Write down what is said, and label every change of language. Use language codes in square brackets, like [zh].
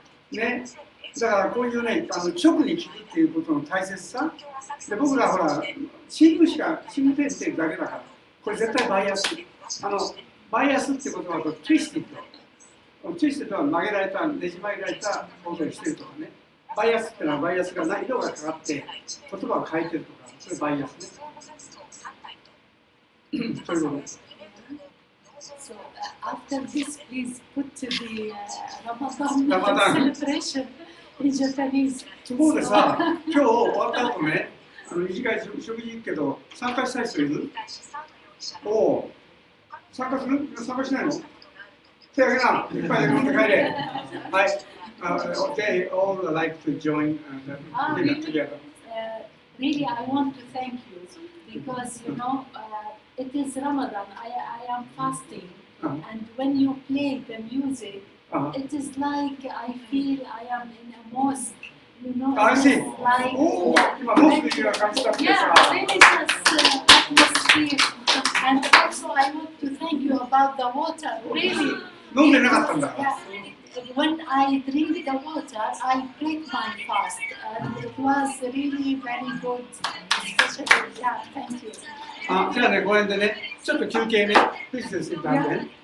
[ja] ね、だからこういうね、あの直に聞くっていうことの大切さ、で僕らほら、新聞しか、新聞テレビってだけだから、これ絶対バイアス、あのバイアスって言葉とツイスティッド、ツイスティッドは曲げられた、ねじ曲げられた報道してるとかね、バイアスってのはバイアスが何度かかかって、言葉を変えてるとか、それバイアスね。そういうことです。 [en] So after this, please put the Ramadan celebration in Japanese. [ja] そうでさ、今日終わった後ね、あの短い食事行くけど、参加したい人いる？おお、参加する？参加しないの？手挙げな、いっぱい飲んで帰れ。 [en] はい、okay, all would like to join and dinner together. Really, I want to thank you because you know. It is Ramadan. I am fasting, and when you play the music, it is like I feel I am in a mosque. You know, I see. Like, oh, yeah, atmosphere. And also, I want to thank you about the water. Really, [ja] 飲んでなかったんだ。 [en] When I drink the water, I break my fast. And it was really very good. Especially, yeah, thank you. [ja] あ、じゃあね、ご縁でね、ちょっと休憩ね。クリスですよ、だんで。